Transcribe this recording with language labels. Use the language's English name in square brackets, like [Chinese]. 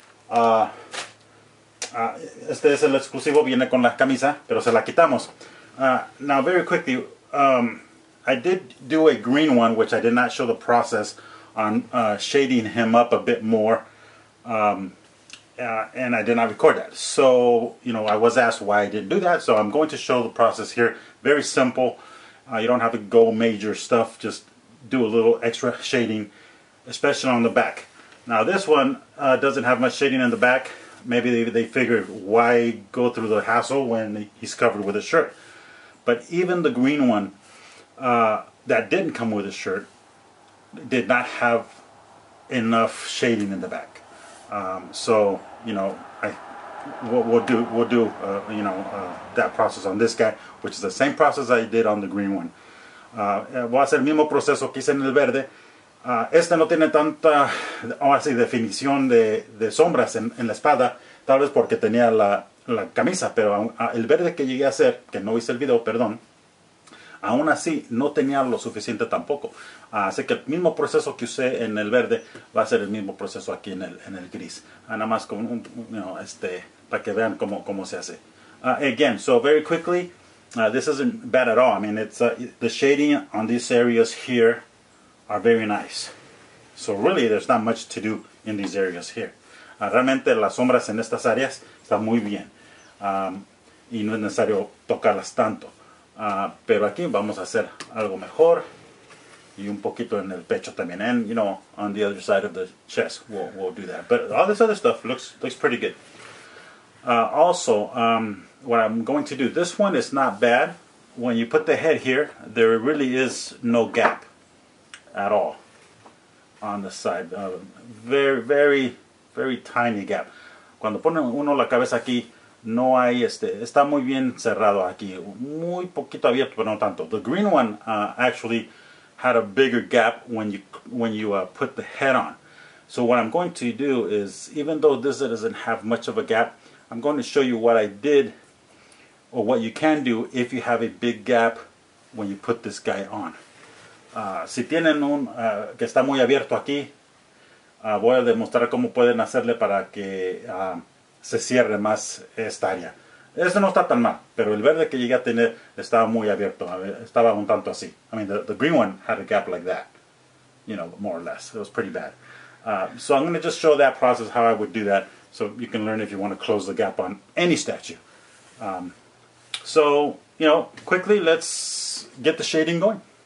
[Spanish] Este es el exclusivo, viene con la camisa, pero se la quitamos. [English] Now, very quickly, I did do a green one, which I did not show the process on shading him up a bit more, and I did not record that. So, you know, I was asked why I didn't do that, so I'm going to show the process here. Very simple. You don't have to go major stuff, just do a little extra shading, especially on the back. Now, this one doesn't have much shading in the back. Maybe they figured, why go through the hassle when he's covered with a shirt? But even the green one that didn't come with a shirt did not have enough shading in the back. So, you know, we'll do that process on this guy, which is the same process I did on the green one. [Spanish] Voy a hacer el mismo proceso que hice en el verde. Este no tiene tanta, vamos a decir, definición de sombras en la espada, tal vez porque tenía la camisa, pero el verde que llegué a hacer, que no hice el video, perdón, aún así no tenía lo suficiente tampoco. Así que el mismo proceso que usé en el verde va a ser el mismo proceso aquí en el gris. Nada más con para que vean cómo se hace. [English] Again, so very quickly, this isn't bad at all. I mean, it's the shading on these areas here are very nice. So really, there's not much to do in these areas here. [Spanish] Realmente las sombras en estas áreas están muy bien. Y no es necesario tocarlas tanto. Pero aquí vamos a hacer algo mejor. Y un poquito en el pecho también. [English] And, you know, on the other side of the chest, we'll do that. But all this other stuff looks pretty good. Also, what I'm going to do, this one is not bad. When you put the head here, there really is no gap at all on the side. Very, very, very tiny gap. [Spanish] Cuando pone uno la cabeza aquí, no hay está muy bien cerrado aquí. Muy poquito abierto, pero no tanto. [English] The green one actually had a bigger gap when you put the head on. So what I'm going to do is, even though this doesn't have much of a gap, I'm going to show you what I did, or what you can do if you have a big gap when you put this guy on. [Spanish] Si tienen un que está muy abierto aquí, voy a demostrar cómo pueden hacerle para que se cierre más esta área. Eso no está tan mal, pero el verde que llegué a tener estaba muy abierto, estaba un tanto así. [English] I mean, the green one had a gap like that, you know, more or less. It was pretty bad. So I'm going to just show that process, how I would do that, so you can learn if you want to close the gap on any statue. So, you know, quickly, let's get the shading going.